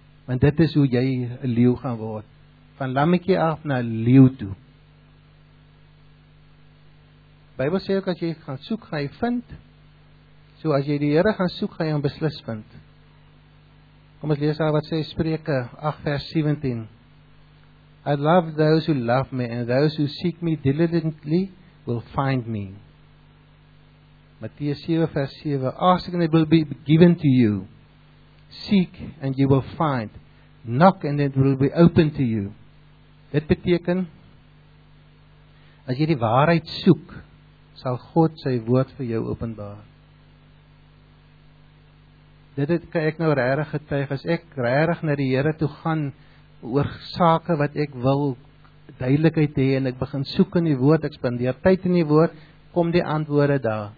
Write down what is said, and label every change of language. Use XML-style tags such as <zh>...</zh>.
<af>Want dit is hoe jy 'n leeu gaan word. Van lammetjie af na leeu toe. Bybel sê ook, as jy gaan soek, gaan jy vind. So as jy die Here gaan soek, gaan jy hom beslis vind. Kom ons lees daar wat sê Spreuke 8 vers 17.</af> <en>I love those who love me, and those who seek me diligently will find me. Matteus 7 vers 7, ask and it will be given to you. Seek and you will find. Knock and it will be open to you.</en> <af>Dit beteken, as jy die waarheid soek, sal God sy woord vir jou openbaar. Dit het, kan ek nou regtig getuig, as ek regtig na die Here toe gaan, oor sake wat ek wil duidelikheid hê, en ek begin soek in die woord, ek spandeer tyd in die woord, kom die antwoorde daar.</af>